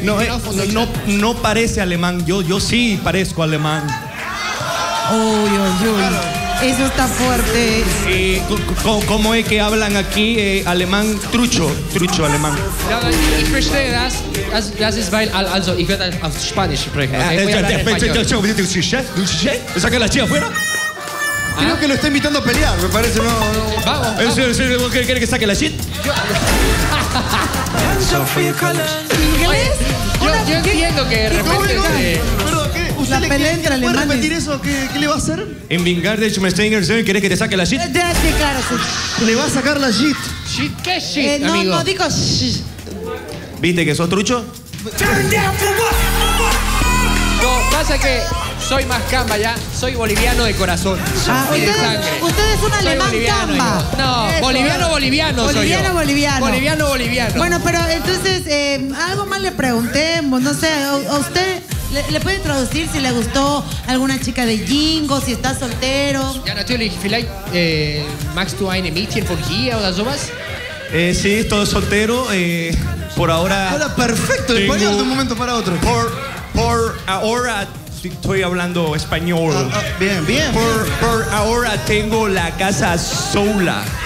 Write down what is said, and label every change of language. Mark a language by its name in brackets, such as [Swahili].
[Spanish] No parece alemán, yo sí parezco alemán. Uy, eso está fuerte. ¿Cómo es que hablan aquí alemán trucho alemán? [German] Ich verstehe das ist weil, also ich werde auf Spanisch sprechen. [Spanish] ¿Saca la chica afuera? Creo que lo está invitando a pelear, me parece. No. Vamos. ¿Es el que quiere que saque la shit? ¿Inglés? Yo entiendo que de repente... ¿Usted la pelea entre alemanes? ¿Puede repetir eso? ¿Qué le va a hacer? En Wingardium Schmeister, ¿quieres que te saque la shit? Sí, claro, sí. ¿Le va a sacar la shit? ¿Shit? ¿Qué shit, amigo? No, digo shit. ¿Viste que sos trucho? No, pasa que soy más camba ya. Soy boliviano de corazón. Ah, de ustedes, usted es un alemán camba. No, boliviano-boliviano soy yo. Boliviano-boliviano. Boliviano-boliviano. Bueno, pero entonces, algo más le preguntemos. No sé, a usted... ¿Le puede traducir si le gustó alguna chica de Jingo, si está soltero? [German] Ya, natürlich, vielleicht magst du eine Mädchen von hier oder sowas? [Spanish] Sí, estoy soltero, por ahora... Habla perfecto tengo... español de un momento para otro. Por ahora estoy hablando español. Bien, bien. Por ahora tengo la casa sola.